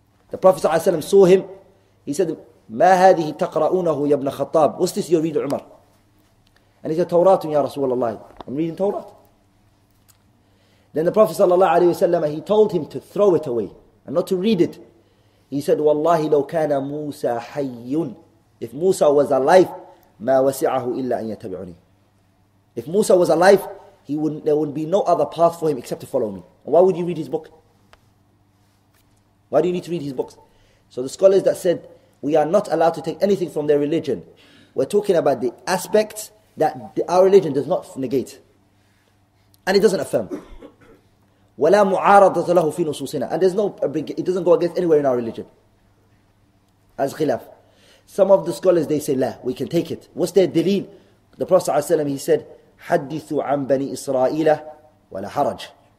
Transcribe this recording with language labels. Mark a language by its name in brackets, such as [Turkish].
[English] The Prophet saw him. He said, [Arabic] مَا هَذِهِ تَقْرَأُونَهُ يَبْنَ خَطَّاب. [English] What's this you read, Umar? And he said, Tawrat, Ya Rasulullah. I'm reading Tawrat. Then the Prophet sallallahu alayhi wasallam, he told him to throw it away and not to read it. He said, Wallahi [Arabic] لو كان موسى حي. [English] If Musa was alive, [Arabic] ما وسعه إلا أن يتبعني. [English] If Musa was alive, there would be no other path for him except to follow me. Why would you read his book? Why do you need to read his books? So the scholars that said we are not allowed to take anything from their religion, we're talking about the aspects that our religion does not negate. And it doesn't affirm. [Arabic] ولا معارضة له في نصوصنا. [English] And there's no, it doesn't go against anywhere in our religion. As khilaf. Some of the scholars, they say, لا, we can take it. What's their دليل? The Prophet ﷺ, he said, [Arabic] حدثوا عن بني إسرائيل ولا حرج.